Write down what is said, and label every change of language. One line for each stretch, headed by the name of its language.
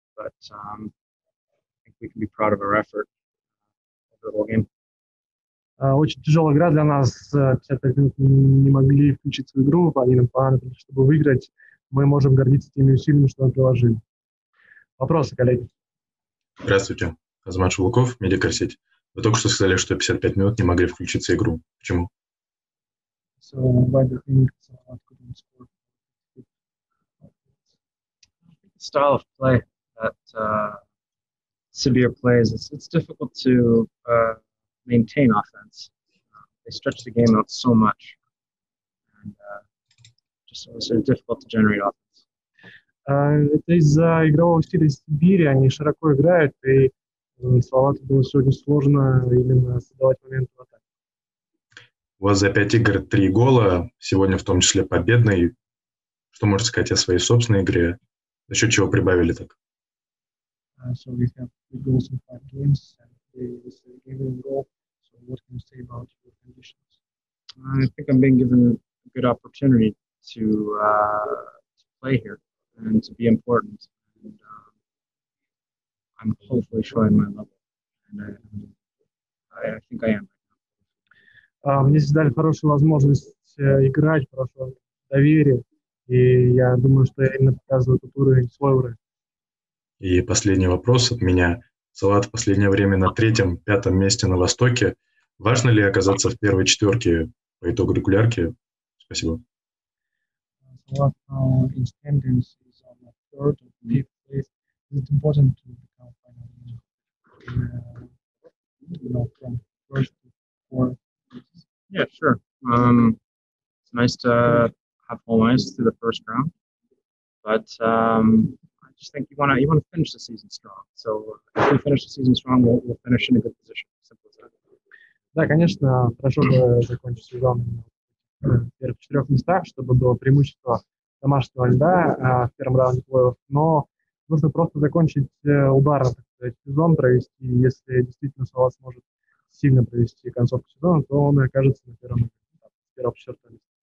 English: But I think we can be proud of our effort over the whole game.
Russian: Очень тяжелая игра для нас. 55 минут не могли включить свою игру, они нам понадобились, чтобы выиграть. Мы можем гордиться теми усилиями, что мы приложили. Вопросы, коллеги? Здравствуйте. Азамат Шулуков, Медиакарсеть. Вы только что сказали, что 55 минут не могли включиться в игру. Почему?
English: Style of play that Sabir plays, it's difficult to maintain offense. They stretch the game out so much. And just also difficult to generate offense.
Russian: Это из-за игрового стиля Сибири, они широко играют, и Словату было сегодня сложно именно создавать момент в атаке. У вас за 5 игр 3 гола, сегодня в том числе победный. Что можете сказать о своей собственной игре? За счет чего прибавили так?
English: So we have 3 goals in 5 games, and this is a game in goal. So what can you say about your conditions? I think I'm being given a good opportunity to play here and to be important. And I'm hopefully showing my level. And I think I am.
Russian: Мне создали хорошую возможность играть, хорошее доверие. И я думаю, что я именно показываю этот уровень, свой уровень. И последний вопрос от меня. Салават в последнее время на 3-5 месте на Востоке. Важно ли оказаться в первой четверке по итогу регулярки? Спасибо.
English: Салават in standings is on the third or fifth place. Is it important to become final from first to fourth? Yeah, sure. It's nice to have home ice through the first round, but I just think you want to finish the season strong. So if we finish the season strong, we'll finish in a good position. Simple as that.
Russian: Да, конечно, хорошо бы закончить сезон в первых четырех местах, чтобы было преимущество домашнего льда в первом раунде плей-офф. Но нужно просто закончить ударно, так сказать, сезон провести, если действительно Салават сможет сильно провести концовку сезона, то он окажется на первом этапе, первом четвертом.